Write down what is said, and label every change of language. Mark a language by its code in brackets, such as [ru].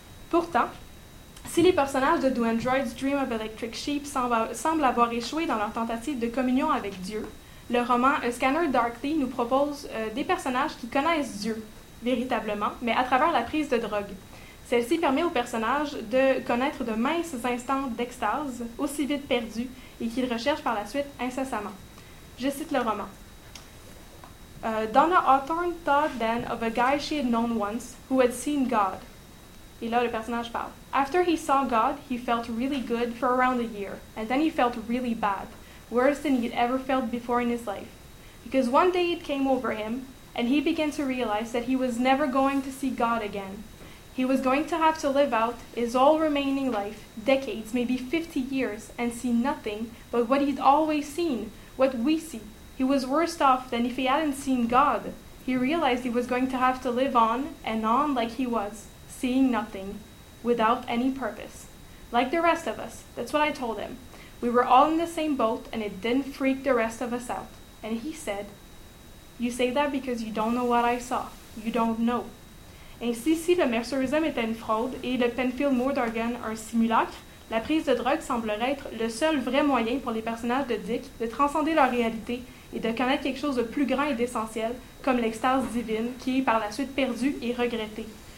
[fr] Pourtant, si les personnages de Do Androids Dream of Electric Sheep semblent avoir échoué dans leur tentative de communion avec Dieu, le roman A Scanner Darkly nous propose des personnages qui connaissent Dieu, véritablement, mais à travers la prise de drogue. Celle-ci permet aux personnages de connaître de minces instants d'extase, aussi vite perdus, et qu'ils recherchent par la suite incessamment. Je cite le roman. [en] Donna Hawthorne thought then of a guy she had known once, who had seen God. [fr] Et là, le personnage parle. [en] After he saw God, he felt really good for around a year, and then he felt really bad, worse than he'd ever felt before in his life. Because one day it came over him, and he began to realize that he was never going to see God again. He was going to have to live out his all remaining life, decades, maybe 50 years, and see nothing but what he'd always seen, what we see. He was worse off than if he hadn't seen God. He realized he was going to have to live on and on like he was, seeing nothing, without any purpose. Like the rest of us, that's what I told him. We were all in the same boat, and it didn't freak the rest of us out. And he said, you say that because you don't know what I saw. You don't know. [fr] Ainsi, si le mercerisme était une fraude et le Penfield Mordorgan un simulacre, la prise de drogue semblerait être le seul vrai moyen pour les personnages de Dick de transcender leur réalité et de connaître quelque chose de plus grand et d'essentiel, comme l'extase divine, qui est par la suite perdue et regrettée.